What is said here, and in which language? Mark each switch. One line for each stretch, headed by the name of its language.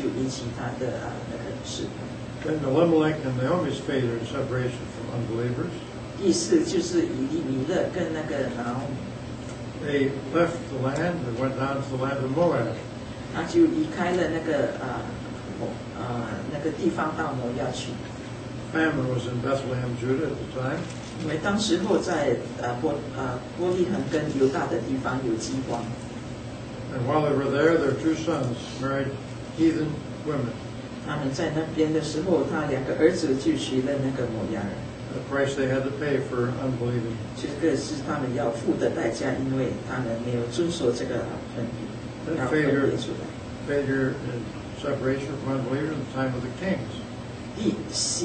Chinese: 就是因为他跟这些不敬虔的人在一起呢，就引起他的那个事。
English: Then Elimelech and Naomi's failure in separation from unbelievers.
Chinese: 意思就是以利米勒跟那个拿欧米。
English: They left the land and went down to the land of Moab.
Chinese: 他就离开了那个地方到摩押去。
English: Famine was in Bethlehem, Judah at the time.
Chinese: 因为当时候在伯利恒跟犹大的地方有饥荒。
English: And while they were there, their two sons married heathen women.
Chinese: 他们在那边的时候，他两个儿子就娶了那个摩押人。
English: The price they had to pay for unbelieving.
Chinese: 这个是他们要付的代价，因为他们没有遵守这个分别。
English: failure and separation from unbelievers in the time of the kings.